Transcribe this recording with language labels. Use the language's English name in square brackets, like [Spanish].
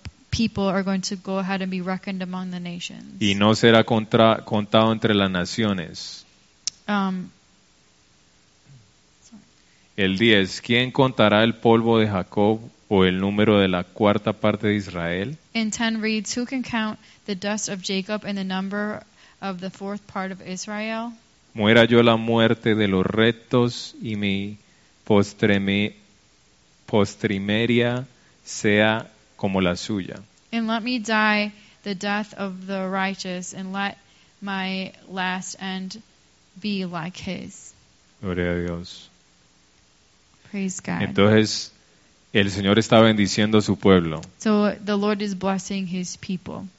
[English] People are going to go ahead and be reckoned among the nations. [Spanish] Y no será contado entre las naciones. El 10. ¿Quién contará el polvo de Jacob o el número de la cuarta parte de Israel? [English] In 10 reads, who can count the dust of Jacob and the number of the fourth part of Israel? [Spanish] Muera yo la muerte de los rectos y mi postrimería sea como la suya. [English] And let me die the death of the righteous, and let my last end be like his. [Spanish] Gloria a Dios. [English] Praise God. [Spanish] Entonces, el Señor está bendiciendo a su pueblo. [English] So the Lord is blessing his people.